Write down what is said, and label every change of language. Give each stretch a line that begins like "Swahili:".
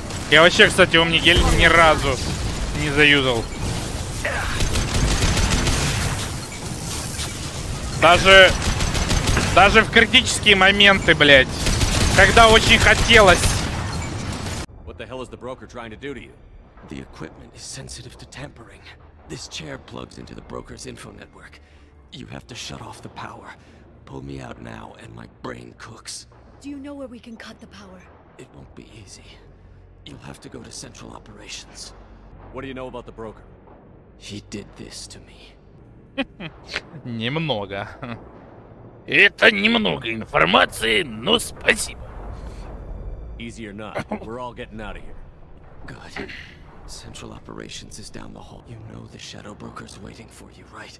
Russian: Я вообще, кстати, у меня гель ни разу не заюзал. Даже в критические моменты, блядь. Когда очень хотелось.
English: What the hell is the broker trying to do to you? The equipment is sensitive to tampering. This chair plugs into the broker's info network. You have to shut off the power. Pull me out now, and my brain cooks. Do you know where we can cut the power? It won't be easy. You'll have to go to central operations. What do you know about the broker? He did this to me.
Russian: Немного. Это немного информации, но спасибо.
English: Easy or not, we're all getting out of here. Good. Central operations is down the hall. You know the Shadow Broker's waiting for you, right?